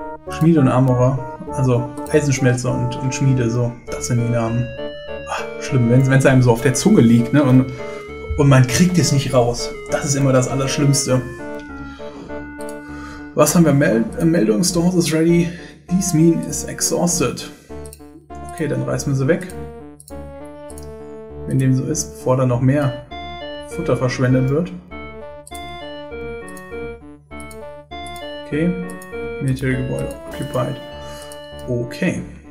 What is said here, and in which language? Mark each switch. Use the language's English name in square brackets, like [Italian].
[German] Schmiede und Armorer, also Eisenschmelzer und Schmiede, so, das sind die Namen. Ach, schlimm, wenn es einem so auf der Zunge liegt, ne, und man kriegt es nicht raus. Das ist immer das Allerschlimmste. Was haben wir? Meldung, [English] Stores is ready. These mine is exhausted. [German] Okay, dann reißen wir sie weg. Wenn dem so ist, bevor da noch mehr Futter verschwendet wird. Okay. Militärgebäude occupied. Okay.